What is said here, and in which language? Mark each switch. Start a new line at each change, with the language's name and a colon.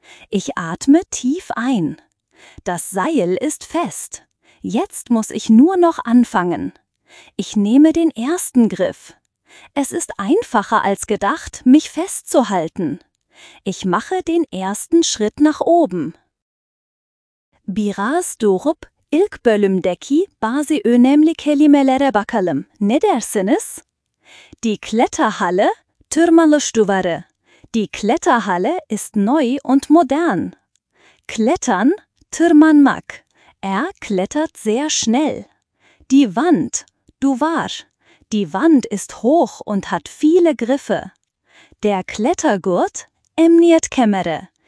German: Ich atme tief ein. Das Seil ist fest. Jetzt muss ich nur noch anfangen. Ich nehme den ersten Griff. Es ist einfacher als gedacht, mich festzuhalten. Ich mache den ersten Schritt nach oben.
Turkish: Biraz durup ilk bölümdeki bazı önemli kelimelere bakalım. Ne dersiniz?
German: Die Kletterhalle,
Turkish: tırmanış duvarı.
German: Die Kletterhalle ist neu und modern. Klettern, tırmanmak. Er klettert sehr schnell. Die Wand, duvar. Die Wand ist hoch und hat viele Griffe. Der Klettergurt,
Turkish: emniyet kemeri.